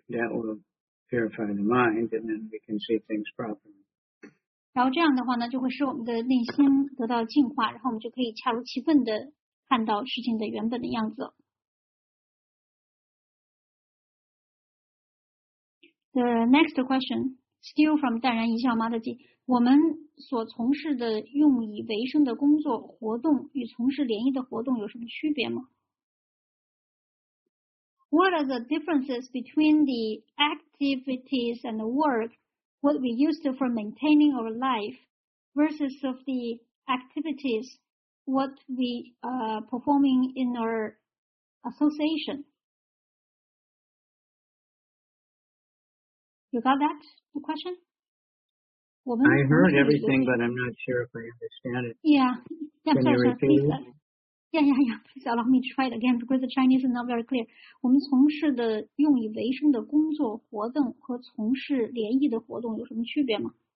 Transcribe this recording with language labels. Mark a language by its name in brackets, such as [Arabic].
[English] will purify the mind, and then we can see things properly. [Chinese] 然后这样的话呢，就会使我们的内心得到净化，然后我们就可以恰如其分的。看到事情的原本的样子。 [English] The next question, still from [Chinese] 淡然一笑妈的记，我们所从事的用以为生的工作活动与从事联谊的活动有什么区别吗？ [English] What are the differences between the activities and the work, what we use for maintaining our life, versus of the activities, what we are performing in our association? You got that, the question? I heard everything, but I'm not sure if I understand it. Please allow me to try it again because the Chinese is not very clear. [Chinese] 我们从事的用以维生的工作活动和从事联谊的活动有什么区别吗？